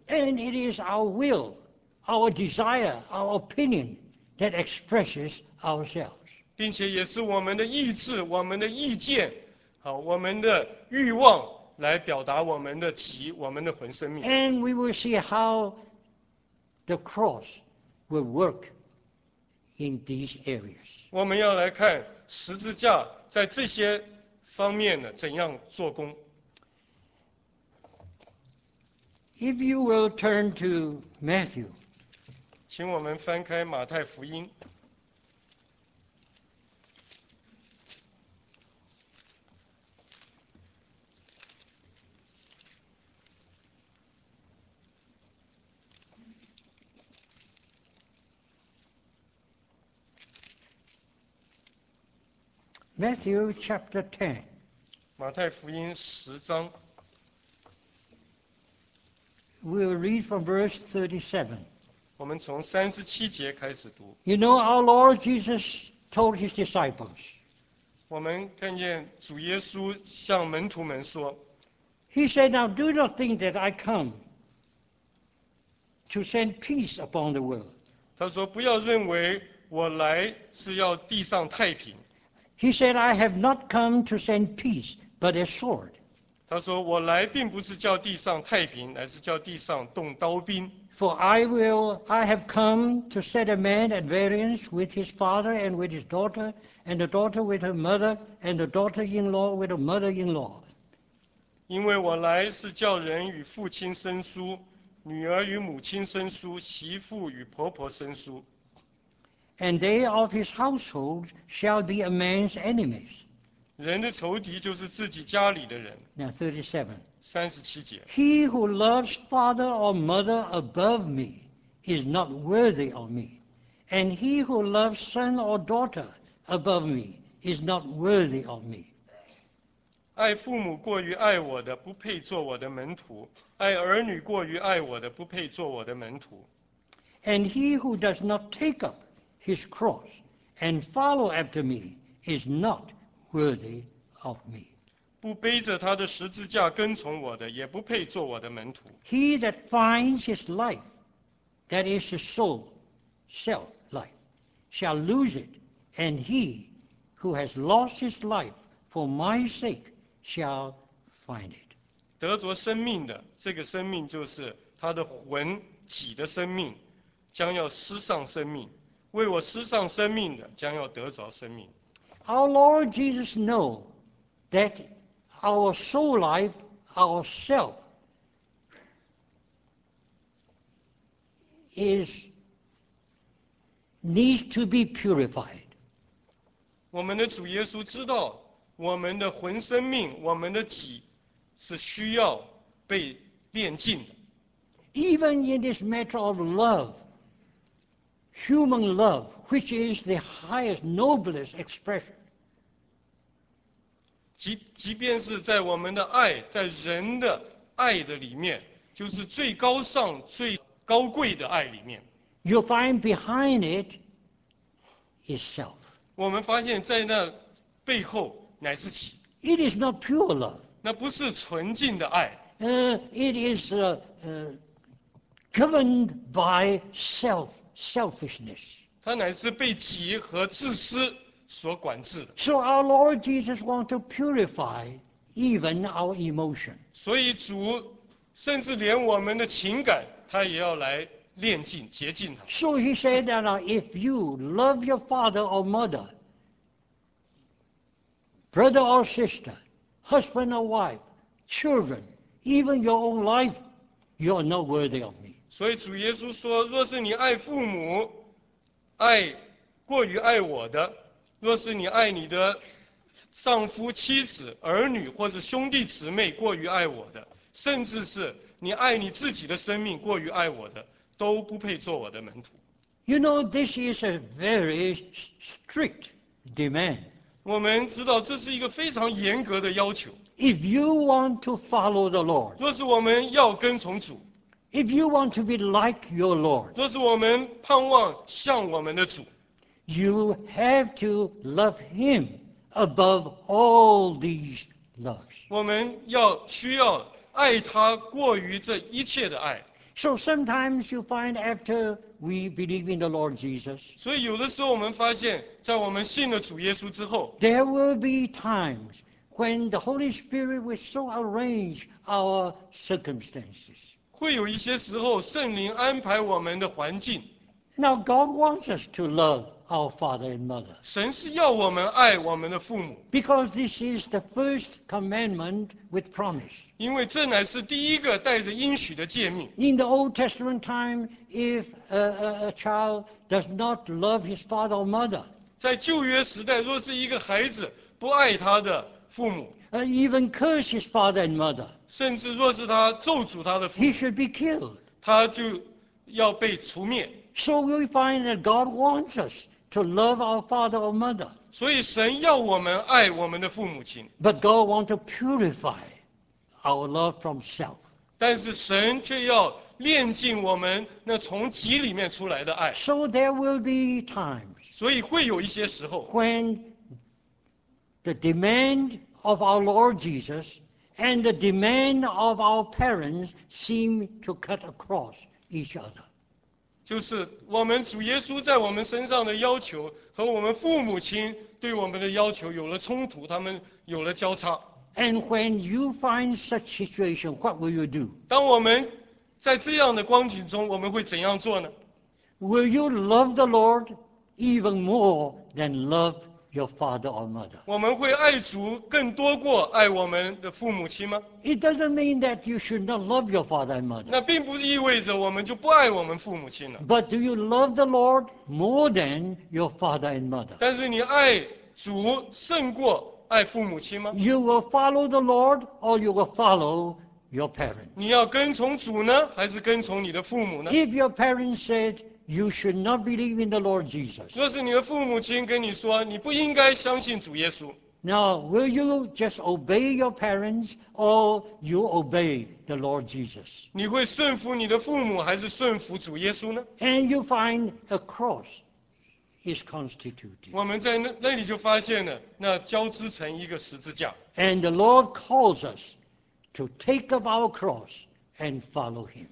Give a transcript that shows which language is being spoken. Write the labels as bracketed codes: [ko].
[en] And it is our will, our desire, our opinion that expresses ourselves. [zh] 并且也是我们的意志、我们的意见、我们的欲望来表达我们的己、我们的魂生命。 [en] And we will see how the cross will work in these areas. [zh] 我们要来看十字架。在这些方面呢，怎样做工 [en] ？If you will turn to Matthew， [zh] 请我们翻开马太福音。 [en] Matthew chapter 10. [zh] 马太福音十章。 [en] We'll read from verse 37. [zh] 我们从三十七节开始读。 [en] You know, our Lord Jesus told his disciples. [zh] 我们看见主耶稣向门徒们说。 [en] He said, "Now do not think that I come to send peace upon the world." [zh] 他说，不要认为我来是要地上太平。 [en] He said, "I have not come to send peace, but a sword." [zh] 他说，我来并不是叫地上太平，乃是叫地上动刀兵。 [en] For I have come to set a man at variance with his father and with his daughter, and the daughter with her mother, and the daughter-in-law with her mother-in-law. [zh] 因为我来是叫人与父亲生疏，女儿与母亲生疏，媳妇与婆婆生疏。 [en] And they of his household shall be a man's enemies. [zh] 人的仇敌就是自己家里的人。 [en] Now 37. [zh] 37节。 [en] He who loves father or mother above me is not worthy of me. And he who loves son or daughter above me is not worthy of me. [zh] 爱父母过于爱我的，不配做我的门徒；爱儿女过于爱我的，不配做我的门徒。 [en] And he who does not take up his cross and follow after me is not worthy of me. [zh] 不背着他的十字架跟从我的，也不配做我的门徒。 [en] He that finds his life, that is his soul, self life, shall lose it, and he who has lost his life for my sake shall find it. [zh] 得着生命的，这个生命就是他的魂己的生命，将要失丧生命；为我失丧生命的，将要得着生命。 [en] Our Lord Jesus knows that our soul life, our self, needs to be purified. [zh] 我们的主耶稣知道我们的魂生命，我们的己是需要被炼净的。 [en] Even in this matter of love, human love, which is the highest, noblest expression. [zh] 即便是在我们的爱，在人的爱的里面，就是最高尚、最高贵的爱里面。 [en] You find behind it is self. [zh] 我们发现在那背后乃是己。 [en] It is not pure love. [zh] 那不是纯净的爱。 [en] It is governed by selfishness. [zh] 它乃是被己和自私所管制的。 [en] So our Lord Jesus wants to purify even our emotion. [zh] 所以主甚至连我们的情感，他也要来炼净、洁净它。 [en] So he said that if you love your father or mother. Brother or sister, husband or wife, children, even your own life, you are not worthy of me. [zh] 所以主耶稣说，若是你爱父母，爱过于爱我的，若是你爱你的丈夫、妻子、儿女或者兄弟姊妹过于爱我的，甚至是你爱你自己的生命过于爱我的，都不配做我的门徒。 [en] You know, this is a very strict demand. [zh] 我们知道这是一个非常严格的要求。 [en] If you want to follow the Lord, [zh] 若是我们要跟从主。 [en] If you want to be like your Lord, [zh] 若是我们盼望像我们的主。 [en] You have to love him above all these loves. [zh] 我们需要爱他过于这一切的爱。 [en] So sometimes you find after we believe in the Lord Jesus. [zh] 所以有的时候我们发现，在我们信了主耶稣之后 [en] ，there will be times when the Holy Spirit will so arrange our circumstances. [zh] 会有一些时候，圣灵安排我们的环境。 [en] Now God wants us to love our father and mother. [zh] 神是要我们爱我们的父母。 [en] Because this is the first commandment with promise. [zh] 因为这乃是第一个带着应许的诫命。 [en] In the Old Testament time, if a child does not love his father or mother, [zh] 在旧约时代，若是一个孩子不爱他的父母 [en] even curse his father and mother, [zh] 甚至若是他咒诅他的父母 [en] he should be killed. [zh] 他就要被除灭。 [en] So we find that God wants us to love our father or mother. [zh] 所以神要我们爱我们的父母亲。 [en] But God wants to purify our love from self. [zh] 但是神却要炼净我们那从己里面出来的爱。 [en] So there will be times. [zh] 所以会有一些时候。 [en] When the demand of our Lord Jesus and the demand of our parents seem to cut across each other. [zh] 就是我们主耶稣在我们身上的要求和我们父母亲对我们的要求有了冲突，他们有了交叉。 [en] And when you find such situation, what will you do? [zh] 当我们在这样的光景中，我们会怎样做呢？ [en] Will you love the Lord even more than love your father or mother? [zh] 我们会爱主更多过爱我们的父母亲吗？ [en] It doesn't mean that you should not love your father and mother. [zh] 那并不意味着我们就不爱我们父母亲了。 [en] But do you love the Lord more than your father and mother? [zh] 但是你爱主胜过爱父母亲吗？ [en] You will follow the Lord or you will follow your parents. [zh] 你要跟从主呢，还是跟从你的父母呢？ [en] If your parents said,You should not believe in the Lord Jesus. [zh] 若是你的父母亲跟你说，你不应该相信主耶稣。 [en] Now, will you just obey your parents, or you obey the Lord Jesus? [zh] 你会顺服你的父母，还是顺服主耶稣呢？ [en] And you find a cross is constituted. [zh] 我们在 那里就发现了，那交织成一个十字架。 [en] And the Lord calls us to take up our cross and follow Him.